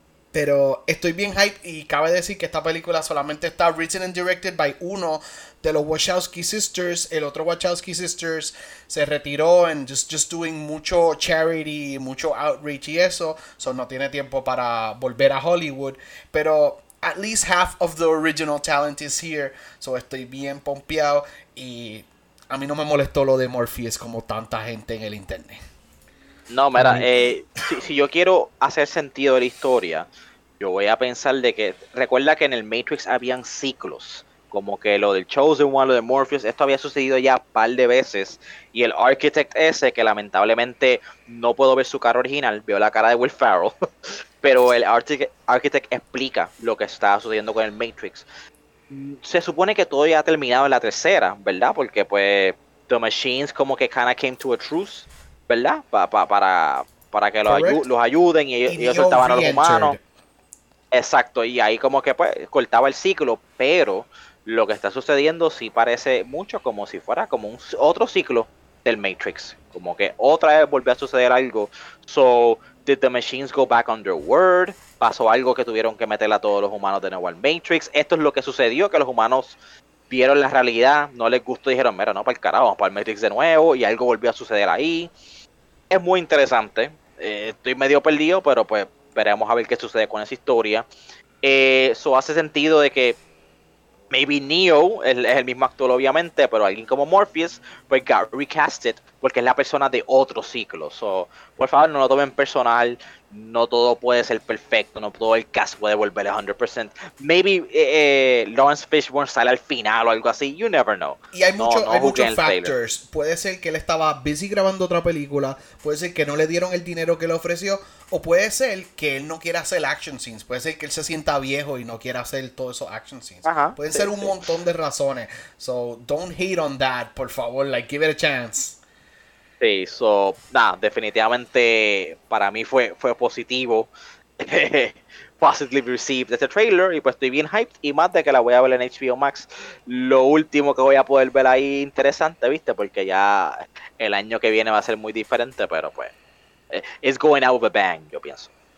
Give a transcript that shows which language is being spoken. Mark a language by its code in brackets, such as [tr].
[es] Pero estoy bien hype y cabe decir que esta película solamente está [en] written and directed by [es] uno de los Wachowski Sisters. El otro Wachowski Sisters se retiró [en] and just doing [es] mucho charity, mucho outreach y eso. So no tiene tiempo para volver a Hollywood. Pero [en] at least half of the original talent is here. [es] So estoy bien pompeado y a mí no me molestó lo de Morpheus como tanta gente en el internet. No, mira, si yo quiero hacer sentido de la historia, yo voy a pensar de que, recuerda que en el Matrix habían ciclos, como que lo del Chosen One, lo de Morpheus, esto había sucedido ya un par de veces, y el Architect ese, que lamentablemente no puedo ver su cara original, veo la cara de Will Ferrell, pero el Architect explica lo que estaba sucediendo con el Matrix. Se supone que todo ya ha terminado en la tercera, ¿verdad? Porque pues, The Machines como que [en] kinda came to a truce, [es] ¿verdad? Para que los ayuden y ellos soltaban a los humanos. Exacto, y ahí como que pues cortaba el ciclo, pero lo que está sucediendo sí parece mucho como si fuera como un otro ciclo del Matrix, como que otra vez volvió a suceder algo. [en] So, did the machines go back on their word? [es] ¿Pasó algo que tuvieron que meter a todos los humanos de nuevo al Matrix? Esto es lo que sucedió, que los humanos vieron la realidad, no les gustó y dijeron, mira, no, para el carajo, para el Matrix de nuevo, y algo volvió a suceder ahí. Es muy interesante. Estoy medio perdido, pero pues veremos a ver qué sucede con esa historia. Eso hace sentido de que [en] maybe [es] Neo es el mismo actor, obviamente, pero alguien como Morpheus, pues [en] got recasted, [es] porque es la persona de otro ciclo. So, por favor, no lo tomen personal. No todo puede ser perfecto, no todo el cast puede volver 100%. [en] Maybe [es] Lawrence Fishburne sale al final o algo así, [en] you never know. [es] Y hay, muchos factors. Puede ser que él estaba busy grabando otra película, puede ser que no le dieron el dinero que le ofreció, o puede ser que él no quiera hacer action scenes, puede ser que él se sienta viejo y no quiera hacer todos esos action scenes. Pueden ser un montón de razones. [en] So, don't hate on that, [es] por favor, [en] like, give it a chance. [es] Sí, so, nada, definitivamente para mí fue positivo, [en] positively received [es] este trailer, y pues estoy bien hyped, y más de que la voy a ver en HBO Max, lo último que voy a poder ver ahí interesante, ¿viste? Porque ya el año que viene va a ser muy diferente, pero pues, [en] it's going out of a bang, [es] yo pienso.